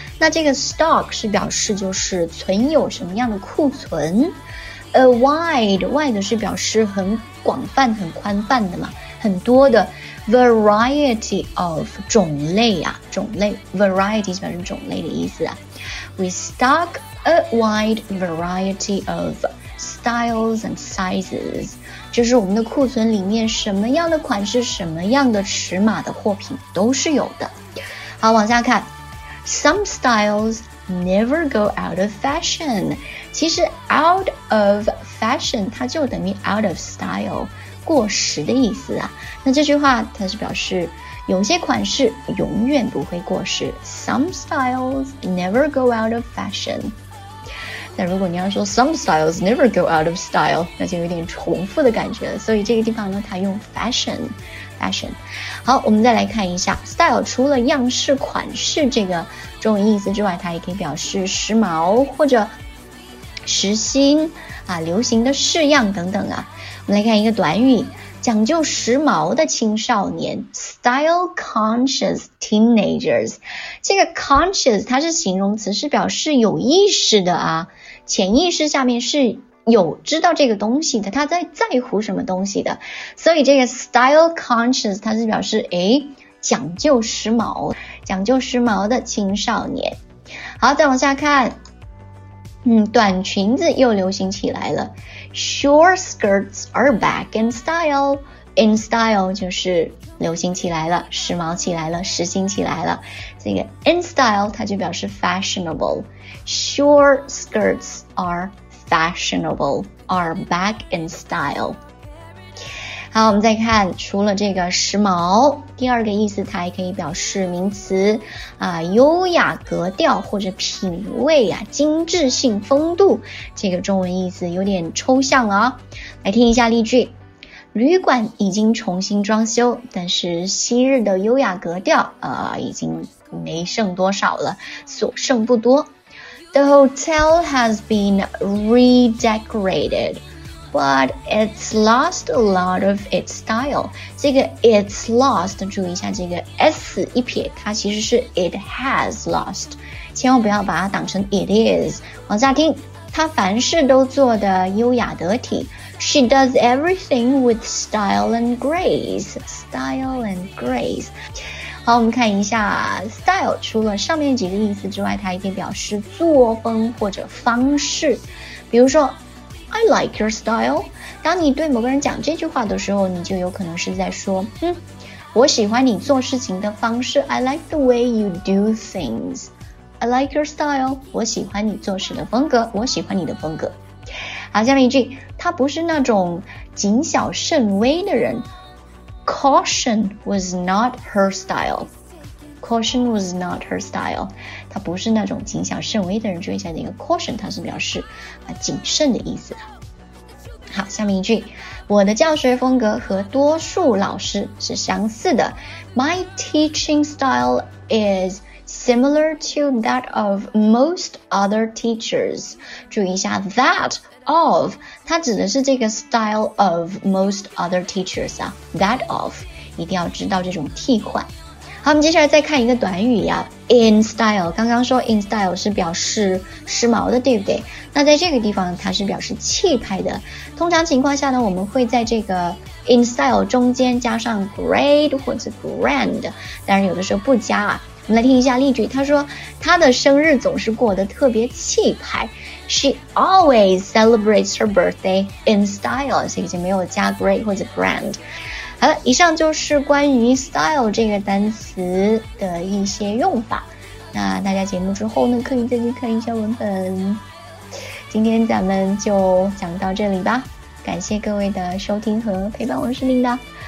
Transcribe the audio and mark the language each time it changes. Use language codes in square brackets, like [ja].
[zh] 那这个 stock 是表示就是存有什么样的库存， a wide 是表示很广泛很宽泛的嘛，很多的 variety of 种类啊，种类 variety 就是种类的意思啊。 [en] We stock a wide variety of styles and sizes， [zh] 就是我们的库存里面什么样的款式、什么样的尺码的货品都是有的。好，往下看 [en] ，Some styles never go out of fashion。 [zh] 其实 [en] out of fashion [zh] 它就等于 [en] out of style。 [zh] 过时的意思啊，那这句话它是表示有些款式永远不会过时， [en] Some styles never go out of fashion。 [zh] 那如果你要说 [en] Some styles never go out of style， [zh] 那就有点重复的感觉了，所以这个地方呢它用 fashion。好，我们再来看一下 style， 除了样式款式这个中文意思之外，它也可以表示时髦或者时兴啊，流行的式样等等啊。我们来看一个短语，讲究时髦的青少年 [en] style conscious teenagers。 [zh] 这个 conscious 它是形容词，是表示有意识的啊，潜意识下面是有知道这个东西的，他在乎什么东西的，所以这个 style conscious 它是表示讲究时髦，讲究时髦的青少年。好，再往下看，短裙子又流行起来了。 [en] Short skirts are back in style. [zh] In style 就是流行起来了，时髦起来了，时兴起来了。这个 in style 它就表示 fashionable. [en] Short skirts are fashionable. Are back in style. [zh] 好，我们再看，除了这个时髦，第二个意思它还可以表示名词啊，优雅格调或者品味啊，精致性风度。这个中文意思有点抽象了啊。来听一下例句，旅馆已经重新装修，但是昔日的优雅格调已经没剩多少了，所剩不多。 [en] The hotel has been redecorated. But it's lost a lot of its style. [zh] 这个 it's lost, 注意一下这个 S 一撇，它其实是 [en] it has lost. [zh] 千万不要把它当成 it is. 往下听，它凡事都做得优雅得体。 [en] She does everything with style and grace. Style and grace. [zh] 好，我们看一下 style, 除了上面几个意思之外，它也可以表示作风或者方式。比如说 [en] I like your style. [zh] 当你对某个人讲这句话的时候，你就有可能是在说，我喜欢你做事情的方式。 [en] I like the way you do things. I like your style. [zh] 我喜欢你做事的风格。我喜欢你的风格。好，下面一句，他不是那种谨小慎微的人。 [en] Caution was not her style. Caution was not her style. [zh] 她不是那种谨小慎微的人。注意一下那个 caution, 它是表示谨慎的意思的。好，下面一句，我的教学风格和多数老师是相似的。 [en] My teaching style is similar to that of most other teachers. [zh] 注意一下 that of, 它指的是这个 style of most other teachers 啊。 That of, 一定要知道这种替换。好，我们接下来再看一个短语呀 ，in style。刚刚说 in style 是表示时髦的，对不对？那在这个地方，它是表示气派的。通常情况下呢，我们会在这个 in style 中间加上 great 或者 grand， 但是有的时候不加啊。我们来听一下例句，他说他的生日总是过得特别气派。 [en] She always celebrates her birthday in style， [zh] 所以就没有加 [en] great [zh] 或者 [en] grand。 [zh] 好了，以上就是关于 style 这个单词的一些用法。那大家节目之后呢，可以再去看一下文本。今天咱们就讲到这里吧，感谢各位的收听和陪伴，我是琳达。